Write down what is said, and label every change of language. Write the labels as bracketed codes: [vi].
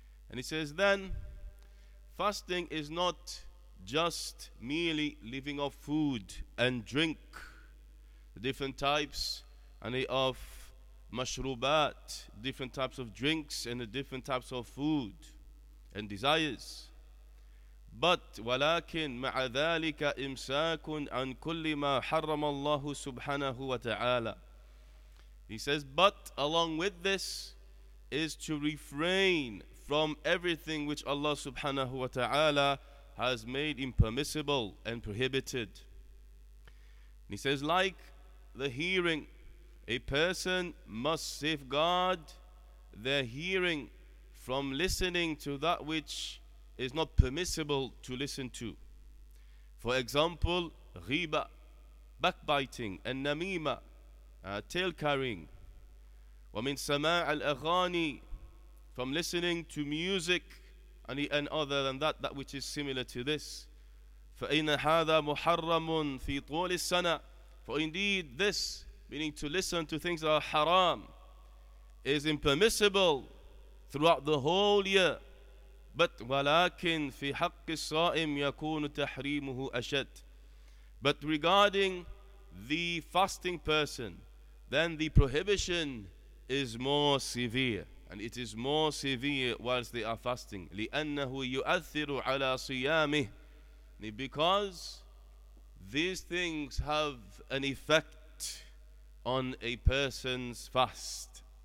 [en] And he says then, fasting is not just merely living off food and drink, the different types of mashrubat, different types of drinks and the different types of food and desires. But [ar] ولكن مع ذلك إمساك عن كل ما حرم الله سبحانه وتعالى. [en] He says, but along with this is to refrain from everything which Allah subhanahu wa ta'ala has made impermissible and prohibited. He says, like the hearing, a person must safeguard their hearing from listening to that which is not permissible to listen to. For example, ghiba, backbiting, and namima, tail carrying. [ar] وَمِنْ سَمَاعِ الْأَغَانِي, [en] from listening to music and other than that which is similar to this. [ar] فَإِنَّ هَذَا مُحَرَّمٌ فِي طُولِ السَّنَةِ. [en] For indeed this, meaning to listen to things that are haram, is impermissible throughout the whole year. But [ar] ولكن في حق الصائم يكون تحريمه أشد. [en] But regarding the fasting person, then the prohibition is more severe, and it is more severe whilst they are fasting. [ar] لأنه يؤثر على صيامه. [en] Because these things have an effect on a person's fast.